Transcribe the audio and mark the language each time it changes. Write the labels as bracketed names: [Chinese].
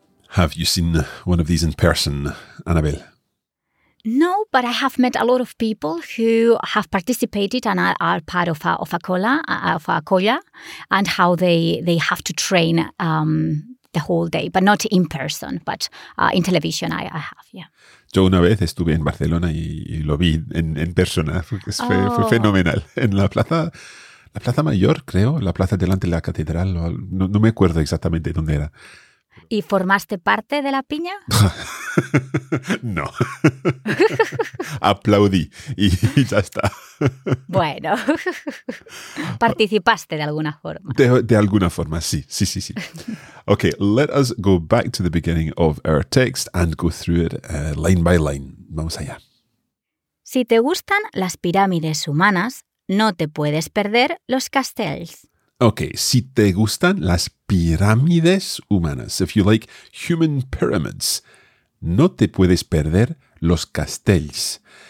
[English] Have you seen one of these in person, Anabel? No, but I have met a lot of people who have participated and are part of a colla, and how they have to train the whole day, but not in person, but in television I have, yeah. [Spanish] Yo una vez estuve en Barcelona y lo vi en persona, porque fue fenomenal. En la Plaza Mayor, creo, la plaza delante de la catedral, no me acuerdo exactamente dónde era. ¿Y formaste parte de la piña? No. Aplaudí y ya está. Bueno, participaste de alguna forma. De alguna forma, sí, sí, sí, sí. [English] Okay, let us go back to the beginning of our text and go through it line by line. [Spanish] Vamos allá. Si te gustan las pirámides humanas, no te puedes perder los castells. Okay, si te gustan las pirámides humanas, [English] if you like human pyramids, [Spanish] no te puedes perder los castells.